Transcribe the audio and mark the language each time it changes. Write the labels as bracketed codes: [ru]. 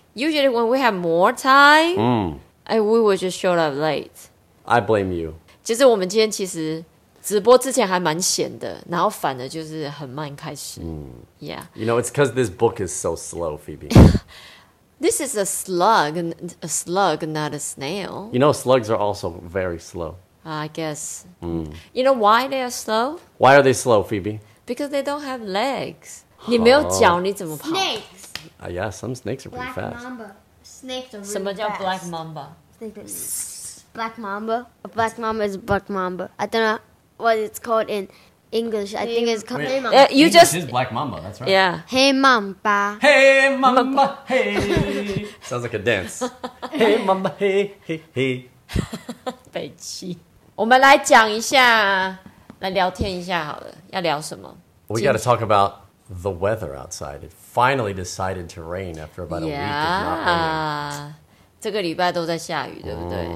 [en] Usually when we have more time,we would just show up late. I blame you. [zh] 其实我们今天其实直播之前还蛮闲的，然后反而就是很慢开始。 [en] Yeah. You know, it's because this book is so slow, Phoebe. This is a slug, not a snail. You know, slugs are also very slow. I guess. You know why they are slow? Why are they slow, Phoebe? Because they don't have legs. [zh] 你没有脚你怎么跑 [en] Snakes. Yeah, some snakes are pretty black fast. Black mamba. Snakes are really [zh] 什么叫 [en] fast. Black mamba? Black mamba? A black mamba is a black mamba. I don't know what it's called in English. I think it's called... English is black mamba, that's right. Yeah. Hey mamba. Hey mamba, hey. Sounds like a dance. Hey mamba, hey, hey, hey. [zh] 北七，我们来讲一下，来聊天一下好了。要聊什么 [en] ？We got to talk about the weather outside. It finally decided to rain after about a week of not raining. [zh] 这个礼拜都在下雨，对不对